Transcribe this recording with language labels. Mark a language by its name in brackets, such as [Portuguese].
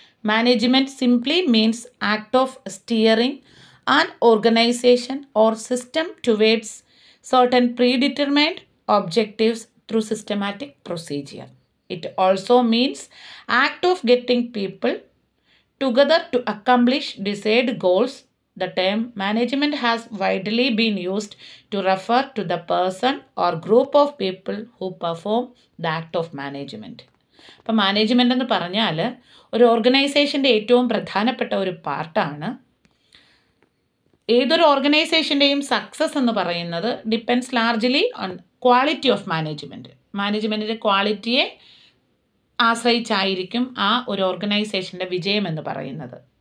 [English] Management simply means act of steering and organisation or system towards certain predetermined objectives through systematic procedure. It also means act of getting people together to accomplish decide goals. The term management has widely been used to refer to the person or group of people who perform the act of management. [Malayalam] അപ്പോൾ management എന്ന് പറഞ്ഞാൽ ഒരു ഓർഗനൈസേഷൻ്റെ ഏറ്റവും പ്രധാനപ്പെട്ട ഒരു പാർട്ടാണ്. ഏതൊരു ഓർഗനൈസേഷൻ്റെയും success എന്ന് പറയുന്നത് [English] Depends largely on quality of management. [Malayalam] മാനേജ്മെൻറ്റിൻ്റെ ക്വാളിറ്റിയെ ആശ്രയിച്ചായിരിക്കും ആ ഒരു ഓർഗനൈസേഷൻ്റെ വിജയം എന്ന് പറയുന്നത്.